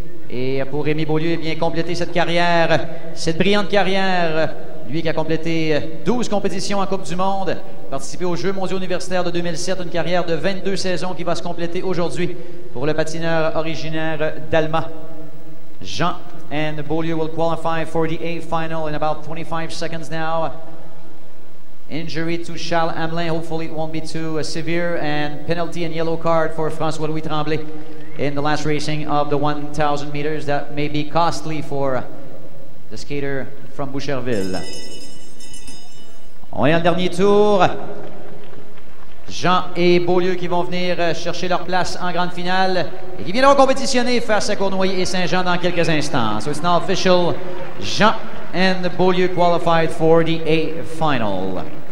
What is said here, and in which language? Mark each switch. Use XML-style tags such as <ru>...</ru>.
<fr>Et pour Rémi Beaulieu, eh bien, compléter cette carrière, cette brillante carrière. Lui qui a complété 12 compétitions en Coupe du Monde, participé aux Jeux mondiaux universitaires de 2007, une carrière de 22 saisons qui va se compléter aujourd'hui pour le patineur originaire d'Alma.</fr> <en>Jean and Beaulieu will qualify for the A final in about 25 seconds now. Injury to Charles Hamelin, hopefully it won't be too severe, and penalty and yellow card for François-Louis Tremblay in the last racing of the 1,000 meters. That may be costly for the skater from Boucherville.</en> <fr>On est dans le dernier tour. Jean et Beaulieu qui vont venir chercher leur place en grande finale et qui viendront compétitionner face à Cournoyer et Saint-Jean dans quelques instants.</fr> <en>So it's now official. Jean and Beaulieu qualified for the A final.</en>